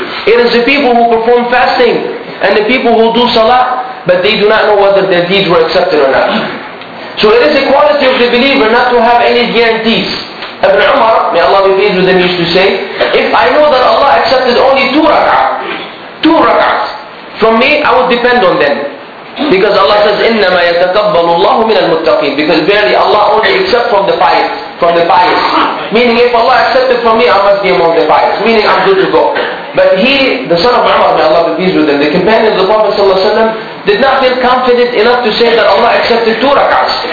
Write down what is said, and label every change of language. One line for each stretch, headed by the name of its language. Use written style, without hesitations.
English: It is the people who perform fasting and the people who do salah, but they do not know whether their deeds were accepted or not. So it is a quality of the believer not to have any guarantees. Ibn Umar, may Allah be pleased with him, used to say, if I know that Allah accepted only two rak'ahs from me, I would depend on them. Because Allah says,
Arabic: إِنَّمَا يَتَقَبَّلُ اللَّهُ مِنَ الْمُتَّقِينَ.
English: Because barely Allah only accepts from the pious. Meaning if Allah accepted from me, I must be among the pious. Meaning I'm good to go. But he, the son of Umar, may Allah be pleased with him, the companion of the Prophet Sallallahu Alaihi Wasallam, did not feel confident enough to say that Allah accepted two rak'ahs.